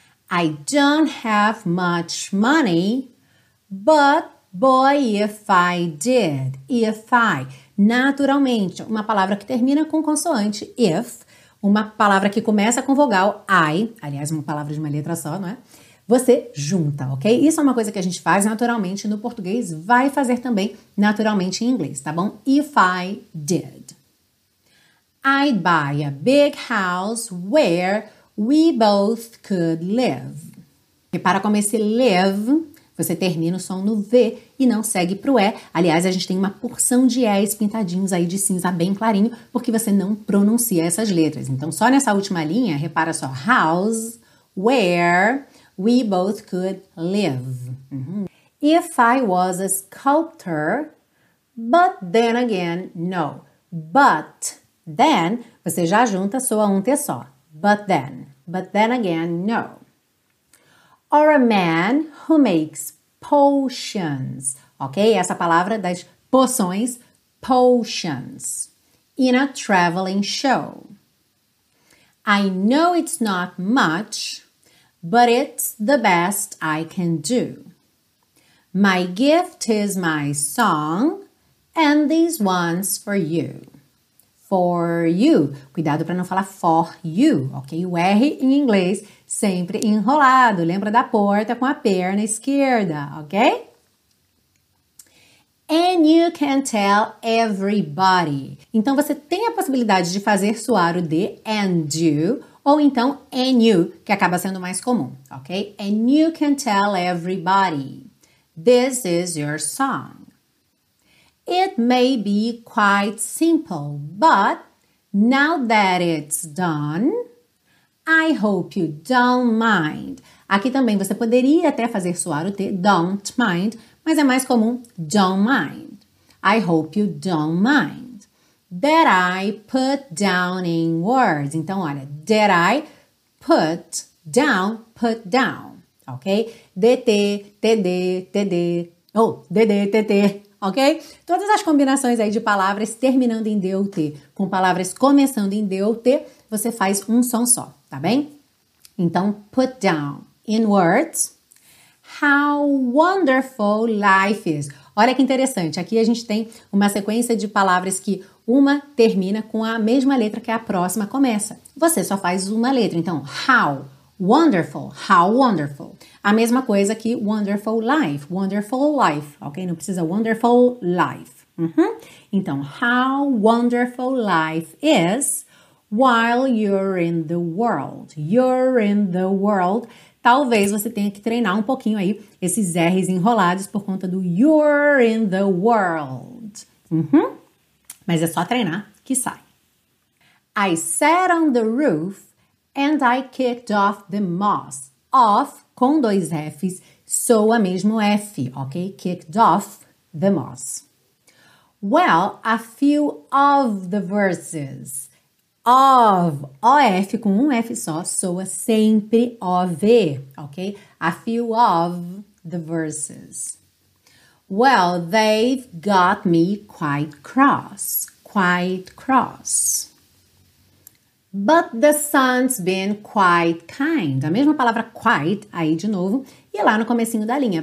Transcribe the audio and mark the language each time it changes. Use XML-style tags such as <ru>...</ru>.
<en>I don't have much money, but boy, if I did, if I.</en> <pt>Naturalmente, uma palavra que termina com consoante, if, uma palavra que começa com vogal, I, aliás, uma palavra de uma letra só, não é? Você junta, ok? Isso é uma coisa que a gente faz naturalmente no português, vai fazer também naturalmente em inglês, tá bom?</pt> <en>If I did. I'd buy a big house where we both could live.</en> <pt>Repara como esse live, você termina o som no V e não segue pro E. Aliás, a gente tem uma porção de E's pintadinhos aí de cinza bem clarinho, porque você não pronuncia essas letras. Então, só nessa última linha, repara só.</pt> <en>House, where... we both could live. If I was a sculptor, but then again, no. But then,</en> <pt>você já junta, soa um T só.</pt> <en>But then again, no. Or a man who makes potions. Ok?</en> <pt>Essa palavra das poções, potions.</pt> <en>In a traveling show. I know it's not much, but it's the best I can do. My gift is my song, and these ones for you. For you.</en> <pt>Cuidado para não falar</pt> <en>for you,</en> <pt>ok? O R em inglês sempre enrolado. Lembra da porta com a perna esquerda, ok?</pt> <en>And you can tell everybody.</en> <pt>Então você tem a possibilidade de fazer soar o D</pt> <en>and you,</en> <pt>ou então, and you, que acaba sendo mais comum, ok?</pt> <en>And you can tell everybody, this is your song. It may be quite simple, but now that it's done, I hope you don't mind.</en> <pt>Aqui também você poderia até fazer soar o T,</pt> <en>don't mind,</en> <pt>mas é mais comum, don't mind.</pt> <en>I hope you don't mind. That I put down in words.</en> <pt>Então, olha,</pt> <en>that I put down,</en> <pt>ok? DT, TD, TD, ou DD, TT, ok? Todas as combinações aí de palavras terminando em D ou T com palavras começando em D ou T, você faz um som só, tá bem? Então,</pt> <en>put down in words. How wonderful life is.</en> <pt>Olha que interessante, aqui a gente tem uma sequência de palavras que uma termina com a mesma letra que a próxima começa. Você só faz uma letra. Então,</pt> <en>how wonderful, how wonderful.</en> <pt>A mesma coisa que</pt> <en>wonderful life,</en> <pt>ok? Não precisa</pt> <en>wonderful life. Uhum. Então, how wonderful life is while you're in the world. You're in the world.</en> <pt>Talvez você tenha que treinar um pouquinho aí esses R's enrolados por conta do</pt> <en>you're in the world.</en> <pt>Uhum. Mas é só treinar que sai.</pt> <en>I sat on the roof and I kicked off the moss.</en> <pt>Off, com dois F's, soa mesmo F, ok?</pt> <en>Kicked off the moss. Well, a few of the verses.</en> <pt>Of, O-F com um F só, soa sempre O-V, ok?</pt> <en>A few of the verses. Well, they've got me quite cross, quite cross. But the sun's been quite kind.</en> <pt>A mesma palavra quite aí de novo e lá no comecinho da linha.</pt>